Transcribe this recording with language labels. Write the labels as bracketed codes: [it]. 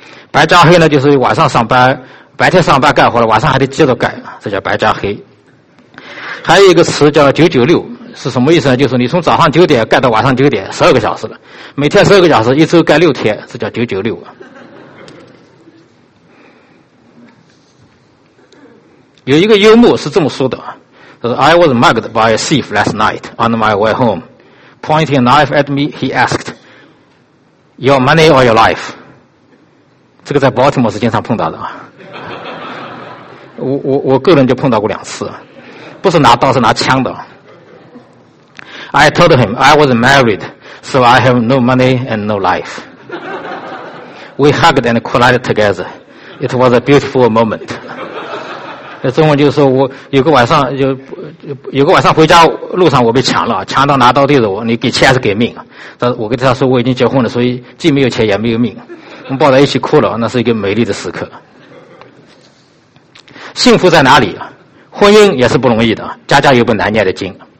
[zh] 白加黑呢，就是晚上上班，白天上班干活了，晚上还得接着干，这叫白加黑。还有一个词叫九九六，是什么意思呢？就是你从早上九点干到晚上九点，十二个小时了，每天十二个小时，一周干六天，这叫九九六。有一个幽默是这么说的， [en] I was mugged by a thief last night on my way home. Pointing a knife at me, he asked, "Your money or your life?" [zh] 这个在 Baltimore 是经常碰到的。我个人就碰到过两次，不是拿刀，是拿枪的。 [en] I told him I was married, so I have no money and no life. We hugged and collided together. It was a beautiful moment. [zh] 中文就是说，我有个晚上回家路上我被抢了，强盗拿刀对着我，你给钱还是给命？但我跟他说我已经结婚了，所以既没有钱也没有命，我们抱在一起哭了，那是一个美丽的时刻。幸福在哪里？婚姻也是不容易的，家家有本难念的经。